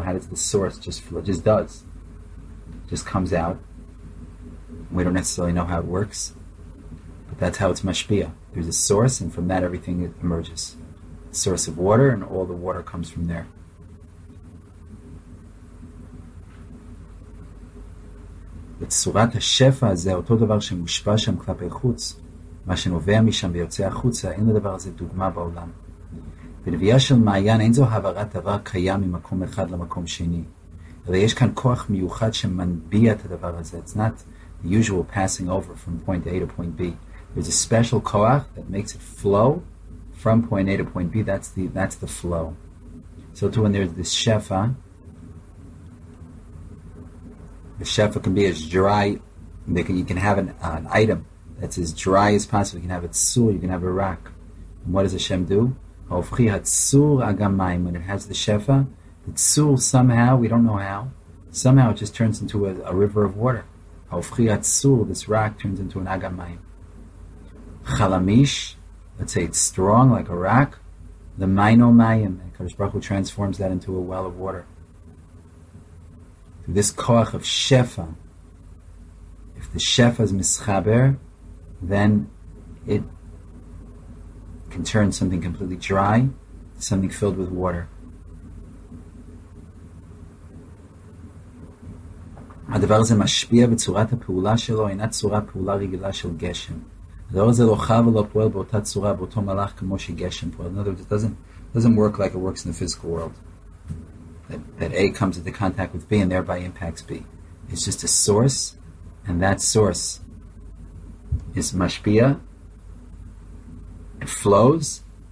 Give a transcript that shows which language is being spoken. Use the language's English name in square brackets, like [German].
[English] How does the source just flow? Just does. Just comes out. We don't necessarily know how it works, but that's how it's mashpia. There's a source, and from that everything emerges. Source of water, and all the water comes from there. [Hebrew] בצורת השפע הזה, אותו דבר שמושפע שם כלפי חוץ, מה שנובע משם ויוצא החוצה, אין לדבר הזה דוגמה בעולם. בנביאה של מעיין, אין זו העברת דבר קיים ממקום אחד למקום שני. אלא יש כאן כוח מיוחד שמנביע את הדבר הזה. [English] It's not the usual passing over from point A to point B. There's a special כוח that makes it flow from point A to point B. That's the flow. So too, when there's this shefa, the shefa can be as dry, you can have an item that's as dry as possible. You can have a tzur, you can have a rock. And what does Hashem do? [Hebrew] Ha'ofchi ha'tzur agam mayim. [English] When it has the shefa, the tzur somehow, we don't know how, somehow it just turns into a river of water. [Hebrew] Ha'ofchi ha'tzur, [English] this rock turns into an agam mayim. Chalamish, let's say it's strong like a rock, the mayno mayim, and Kadosh Baruch Hu transforms that into a well of water. This koach of shefa, if the shefa is mischaber, then it can turn something completely dry to something filled with water. [Hebrew] הדבר הזה משפיע בצורת הפעולה שלו, אינה צורה פעולה רגילה של גשם. הדבר הזה לא חב ולא פועל באותה צורה, באותו מלאך כמו שגשם פועל. [English] In other words, it doesn't work like it works in the physical world. That A comes into contact with B and thereby impacts B. It's just a source, and that source is mashpia. It flows.